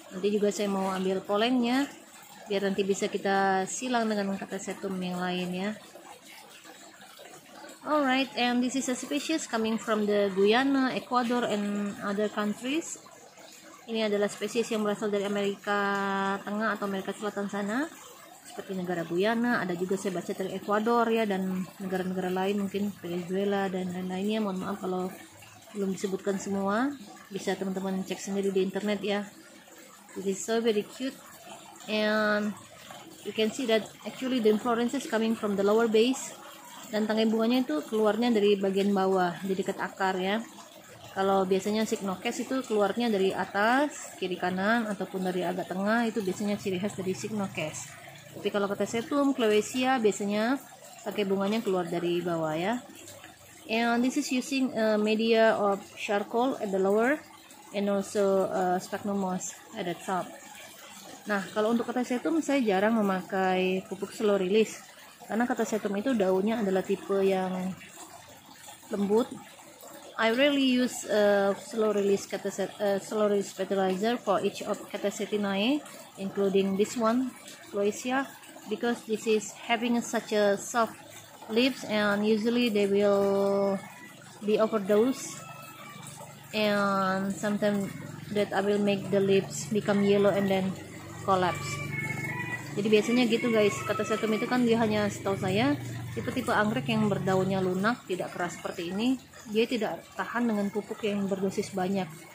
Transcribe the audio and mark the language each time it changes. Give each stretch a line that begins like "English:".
Indonesian: Nanti juga saya mau ambil pollennya biar nanti bisa kita silang dengan katasetum yang lain ya.
English: Alright, and this is a species coming from the Guyana, Ecuador, and other countries.
Indonesian: Ini adalah spesies yang berasal dari Amerika Tengah atau Amerika Selatan sana, seperti negara Guyana. Ada juga saya baca dari Ecuador ya, dan negara-negara lain mungkin Venezuela dan lain-lainnya. Mohon maaf kalau belum disebutkan semua, bisa teman-teman cek sendiri di internet ya.
English: This is so very cute. And you can see that actually the inflorescence coming from the lower base,
Indonesian: dan tangkai bunganya itu keluarnya dari bagian bawah di dekat akar ya. Kalau biasanya Cycnocass itu keluarnya dari atas kiri kanan ataupun dari agak tengah, itu biasanya ciri khas dari Cycnocass. Tapi kalau Katasetum Cloacia biasanya pakai bunganya keluar dari bawah ya.
English: And this is using a media of charcoal at the lower and also sphagnum moss at the top.
Indonesian: Nah, kalau untuk Katasetum saya jarang memakai pupuk slow release. Karena Katasetum itu daunnya adalah tipe yang lembut.
English: I really use slow release fertilizer for each of Katasetinae, including this one, Cloacia, because this is having such a soft leaves and usually they will be overdosed. And sometimes that I will make the leaves become yellow and then collapse.
Indonesian: Jadi biasanya gitu guys, Katasetum itu kan dia hanya, setahu saya, tipe-tipe anggrek yang berdaunnya lunak, tidak keras seperti ini. Dia tidak tahan dengan pupuk yang berdosis banyak.